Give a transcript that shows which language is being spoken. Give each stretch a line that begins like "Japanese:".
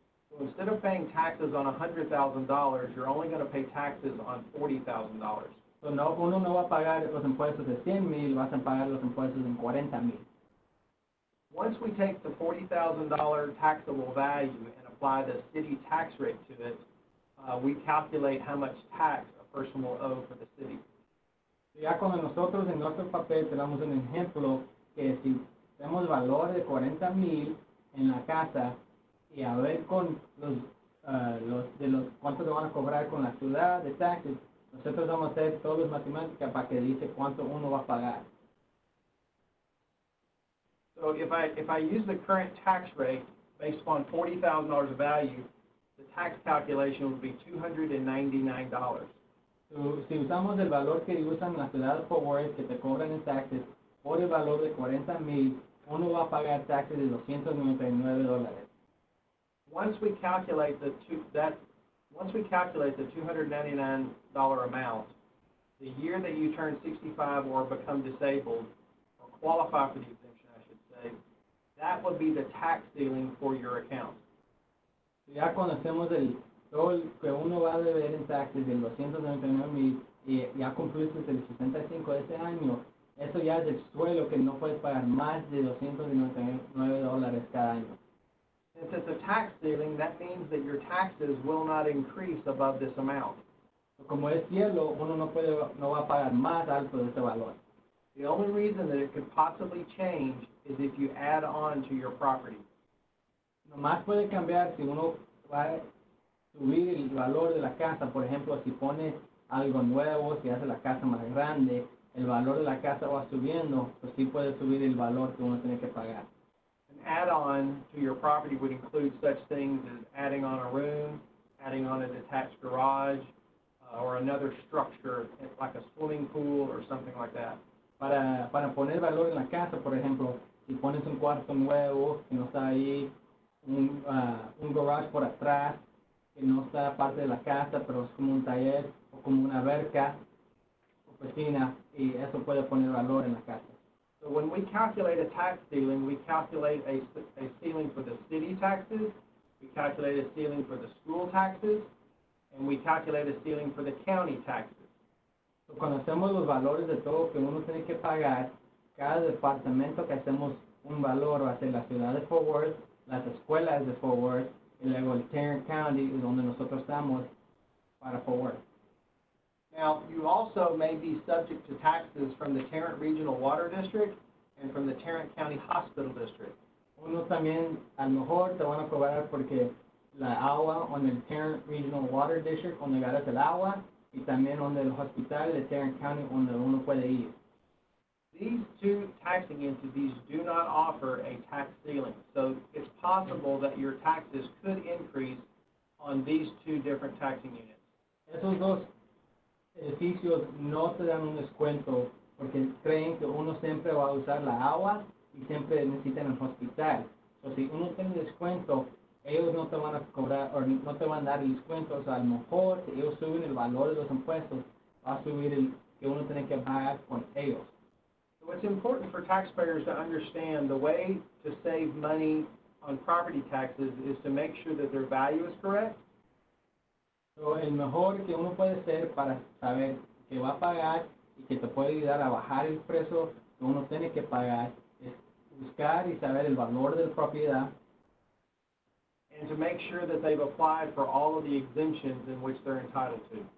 English: So instead of paying taxes on $100,000, you're only going to pay taxes on $40,000.
Spanish: So no, uno no va a pagar los impuestos de 100,000, vas a pagar los impuestos en 40,000.
English: Once we take the $40,000 taxable value and apply the city tax rate to it, we calculate how much tax a person will owe for the city.
Spanish: Ya cuando nosotros en nuestro papel tenemos un ejemplo que si tenemos valor de 40,000 en la casa y a ver con los cuánto te van a cobrar con la ciudad de taxes, nosotros vamos a hacer todas las matemáticas para que dice cuánto uno va a pagar.
English: So if I use the current tax rate, based upon $40,000 of value, the tax calculation would be $299.
Spanish: So, si usamos el valor que usan las ciudades pobres que te cobran en taxes, por el valor de 40,000, uno va a pagar taxes de $299.
English: Once we calculate the $299 amount, the year that you turn 65 or become disabled, or qualify for the exemption, I should say, that would be the tax ceiling for your account.
Spanish: Ya conocemos el todo que uno va a deber en taxes de $299,000 y ya cumpliste el 65 de ese año, eso ya es el suelo que no puedes pagar más de $299 cada año.
English: Since it's a tax ceiling, that means that your taxes will not increase above this amount.
Spanish: Como es cielo, uno no va a pagar más alto de ese valor.
English: The only reason that it could possibly change is if you add on to your property.
Spanish: Nomás puede cambiar si uno va a subir el valor de la casa. Por ejemplo, si pone algo nuevo, si hace la casa más grande, el valor de la casa va subiendo, pues sí puede subir el valor que uno tiene que pagar.
English: An add-on to your property would include such things as adding on a room, adding on a detached garage, or another structure, like a swimming pool or something like that.
Spanish: Para poner valor en la casa, por ejemplo, si pones un cuarto nuevo que no está ahí, un garage por atrás que no está parte de la casa, pero es como un taller o como una alberca o piscina, y eso puede poner valor en la casa.
English: So when we calculate a tax ceiling, we calculate a ceiling for the city taxes, we calculate a ceiling for the school taxes, and we calculate a ceiling for the county taxes.
Spanish: So cuando hacemos los valores de todo que uno tiene que pagar, cada departamento que hacemos un valor va a ser la ciudad de Fort Worth, las escuelas de Fort Worth, y luego el Tarrant County, donde nosotros estamos, para Fort Worth.
English: Now, you also may be subject to taxes from the Tarrant Regional Water District and from the Tarrant County Hospital District.
Spanish: Uno también, a lo mejor, te van a cobrar porque la agua
English: on the Tarrant Regional Water District,
Spanish: donde agarras el agua, y también on the hospital de Tarrant County, donde uno puede ir.
English: These two taxing entities do not offer a tax ceiling, so it's possible that your taxes could increase on these two different taxing units.
Spanish: Esos dos edificios no te dan un descuento porque creen que uno siempre va a usar la agua y siempre necesitan el hospital. So, si uno tiene descuento, ellos no te van a cobrar o no te van a dar descuentos. So, a lo mejor, si ellos suben el valor de los impuestos, va a subir el que uno tiene que pagar con ellos.
English: So, it's important for taxpayers to understand the way to save money on property taxes is to make sure that their value is correct.
Spanish: So, el mejor que uno puede hacer para saber que va a pagar y que te puede ayudar a bajar el precio que uno tiene que pagar es buscar y saber el valor de la propiedad.
English: And to make sure that they've applied for all of the exemptions in which they're entitled to.